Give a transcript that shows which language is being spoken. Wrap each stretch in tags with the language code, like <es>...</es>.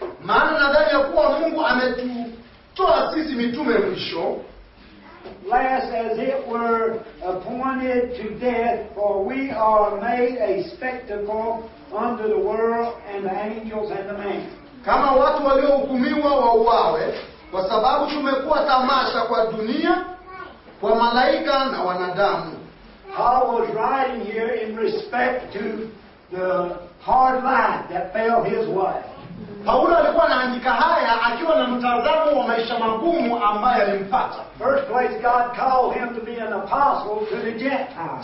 <sw>Maana nadhani ya kuwa Mungu ametutoa sisi mitume mwisho.</sw> <en>Last as it were appointed to death, for we are made a spectacle unto the world and the angels and the man.</en> <sw>Kama watu waliohukumiwa wauawe, kwa sababu tumekuwa tamasha kwa dunia, kwa malaika na wanadamu.</sw> <en>Paul was writing here in respect to the hard life that fell his way.</en> <sw>Paulo alikuwa anaandika haya akiwa na mtazamo wa maisha magumu ambayo alimpata.</sw> <en>First place, God called him to be an apostle to the Gentiles.</en>